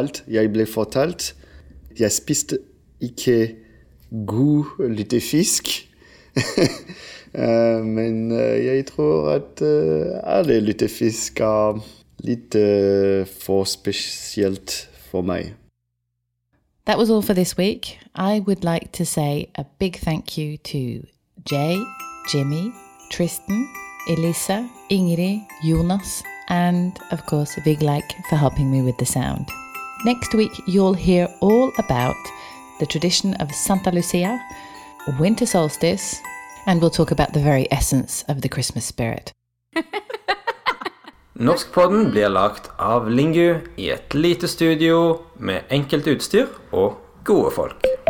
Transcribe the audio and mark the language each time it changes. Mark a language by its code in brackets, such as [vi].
[no] jeg ble fortalt, jeg spiste ikke god lutefisk, men jeg tror at alle lutefisk litt for spesielt for meg. [en] That was all for this week. I would like to say a big thank you to Jay, Jimmy, Tristan, Elise, Ingrid, Jonas, and of course Viglike for helping me with the sound. Next week you'll hear all about the tradition of Santa Lucia, winter solstice, and we'll talk about the very essence of the Christmas spirit. [no] Norskpodden blir lagt av Lingu I et lite studio med enkelt utstyr og gode folk.